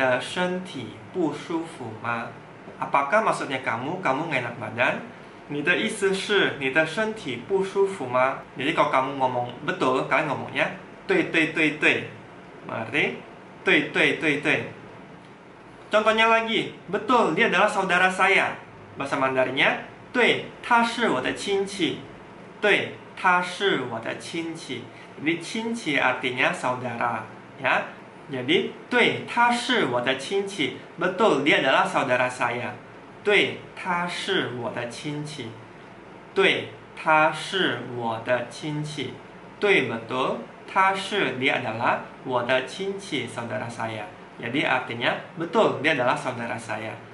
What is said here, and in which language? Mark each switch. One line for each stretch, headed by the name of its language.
Chinese: 你的意思是你的身体不舒服吗?
Indonesian: Apakah maksudnya kamu, kamu gak enak badan?
Chinese: 你的意思是你的身体不舒服吗?
Indonesian: Jadi kalau kamu ngomong betul, kalian ngomongnya
Chinese: 对对对对.
Indonesian: Berarti
Chinese: 对对对对.
Indonesian: Contohnya lagi, betul, dia adalah saudara saya. Bahasa Mandarinnya
Chinese: 对,他是我的亲戚. 对,他是我的亲戚.Jadi 亲戚
Indonesian: artinya saudara ya.
Chinese: Jadi 对,他是我的亲戚.
Indonesian: Betul, dia adalah saudara saya.
Chinese: 对,他是我的亲戚.对,他是我的亲戚.对,
Indonesian: betul.
Chinese: 他是,
Indonesian: dia adalah
Chinese: 我的亲戚,
Indonesian: saudara saya. Jadi artinya, betul, dia adalah saudara saya.